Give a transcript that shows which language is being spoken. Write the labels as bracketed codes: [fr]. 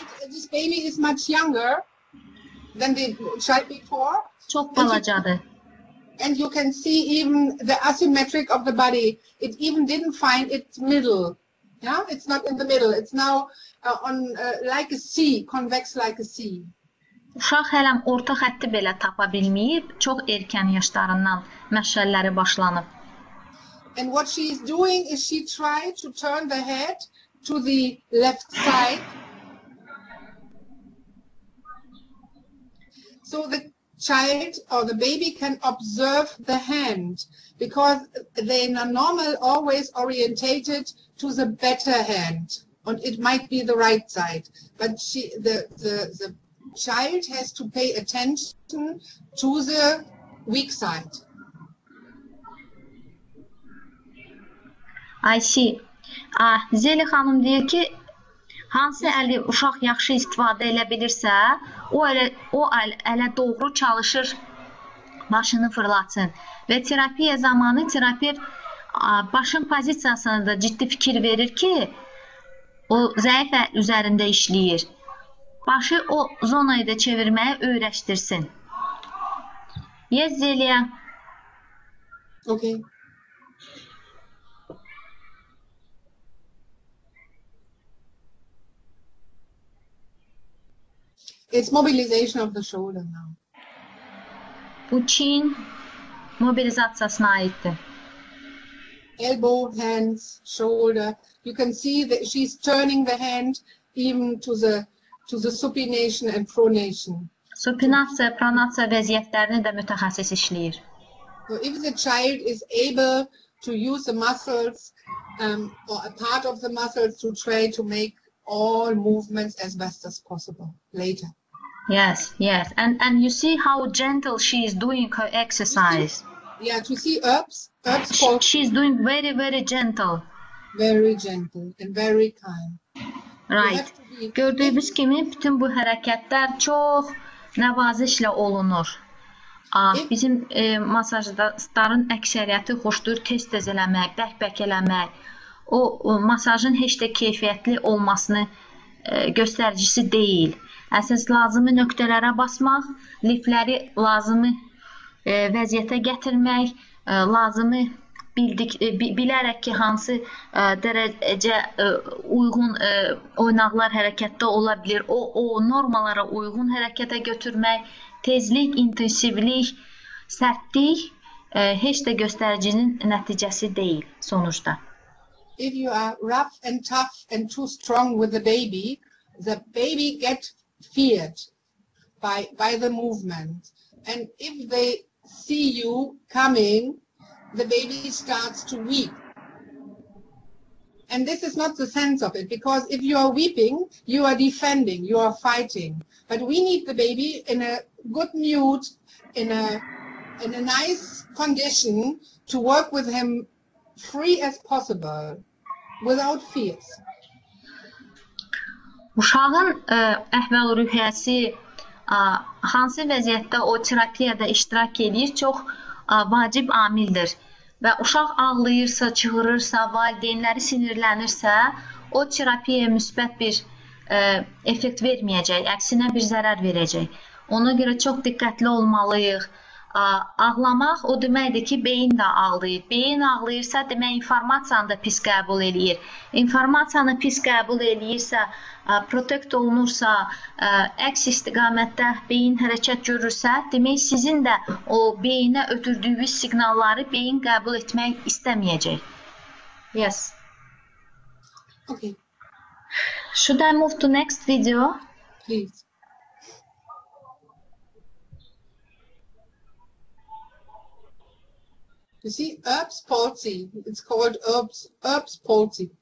[en] This baby is much younger than the child before. [az] Çok balacadı. [en] And you can see even the asymmetric of the body. It even didn't find its middle. Yeah, it's not in the middle. It's now on like a C, convex like a C. [az] Uşaq hələ orta xətti belə tapa bilməyib, çox erkən yaşlarından məşəlləri başlanıb. [en] And what she is doing is she tried to turn the head to the left side. So the child or the baby can observe the hand because they are normal always orientated to the better hand and it might be the right side. But she, the child has to pay attention to the weak side. I see. [az] Zeli xanım deyir ki, hansı əli uşaq yaxşı istifadə edə bilirsə, o əl doğru çalışır, başını fırlatsın. Və terapiya zamanı terapevt başın pozisiyasına da ciddi fikir verir ki, o zəif əl üzərində işləyir. Başı o zonayı da çevirməyə öyrəşdirsin. [en] Yes, Zeliya. Okay. It's mobilization of the shoulder now. [az] Bu çiyin mobilizasiyasına aiddir. [en] Elbow, hands, shoulder. You can see that she's turning the hand even to the supination and pronation. [az] Supinasiya, pronasiya vəziyyətlərini də mütəxəssis işləyir. [en] So if the child is able to use the muscles or a part of the muscles to try to make all movements as best as possible later. Yes, yes. And you see how gentle she is doing her exercise. Yeah, to see herbs. She's doing very, very gentle. Very gentle and very kind. Right. [az] Gördüyümüz kimi bütün bu hərəkətlər çox nəvazişlə olunur. Bizim masajların əksəriyyəti xoşdur tez-tez eləmək, bək-bək eləmək. O masajın heç də keyfiyyətli olmasını göstəricisi deyil. Əsas lazımı nöqtələrə basmaq, lifləri lazımı vəziyyətə gətirmək, lazımı bilərək ki, hansı dərəcə uyğun oynaqlar hərəkətdə ola bilir, o normalara uyğun hərəkətə götürmək, tezlik, intensivlik, sərtlik heç də göstəricinin nəticəsi deyil sonuçta. [en] If you are rough and tough and too strong with the baby gets feared by the movement. And if they see you coming, the baby starts to weep. And this is not the sense of it, because if you are weeping, you are defending, you are fighting. But we need the baby in a good mood, in a nice condition to work with him free as possible, without fears. [az] Uşağın əhval-ruhiyyəsi hansı vəziyyətdə o terapiyada iştirak edir, çox vacib amildir. Və uşaq ağlayırsa, çığırırsa, valideynləri sinirlənirsə, o terapiyaya müsbət bir effekt verməyəcək, əksinə bir zərər verəcək. Ona görə çox diqqətli olmalıyıq. Ağlamaq o deməkdir ki, beyin də ağlayır. Beyin ağlayırsa, demək, informasiyanı da pis qəbul edir. İnformasiyanı pis qəbul edirsə, protekt olunursa, əks istiqamətdə beyin hərəkət görürsə, demək, sizin də o beyinə ötürdüyünüz siqnalları beyin qəbul etmək istəməyəcək. [en] Yes. Okay. Should I move to next video? Please. You see, herbs palsy. It's called herbs palsy.